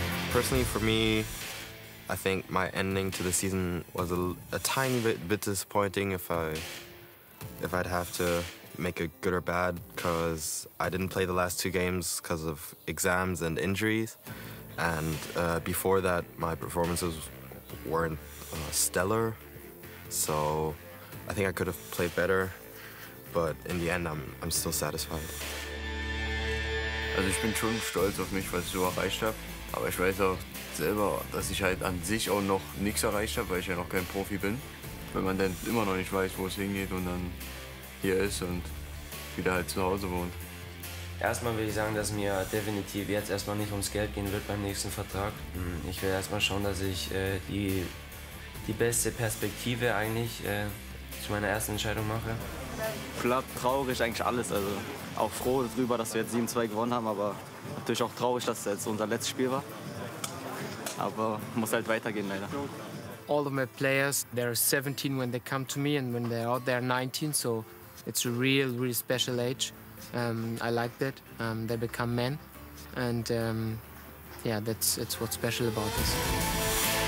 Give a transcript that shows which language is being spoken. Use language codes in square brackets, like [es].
[en] Personally, for me, I think my ending to the season was a tiny bit disappointing if I'd have to make a good or bad, because I didn't play the last two games because of exams and injuries. And before that, my performances weren't stellar. So I think I could have played better. But in the end, I'm still satisfied. [de] Also ich bin schon stolz auf mich, was ich so erreicht habe. Aber ich weiß auch selber, dass ich halt an sich auch noch nichts erreicht habe, weil ich ja noch kein Profi bin. Wenn man dann immer noch nicht weiß, wo es hingeht und dann hier ist und wieder halt zu Hause wohnt. Erstmal will ich sagen, dass mir definitiv jetzt erstmal nicht ums Geld gehen wird beim nächsten Vertrag. Ich will erstmal schauen, dass ich die beste Perspektive eigentlich zu meiner ersten Entscheidung mache. Klar, traurig eigentlich alles. Also auch froh darüber, dass wir jetzt 7-2 gewonnen haben, aber natürlich auch traurig, dass es jetzt unser letztes Spiel war. Aber muss halt weitergehen leider. [en] All of my players, they're 17 when they come to me and when they're out, they're 19, so it's a real, real special age. I like that. They become men. And yeah, that's what's special about this.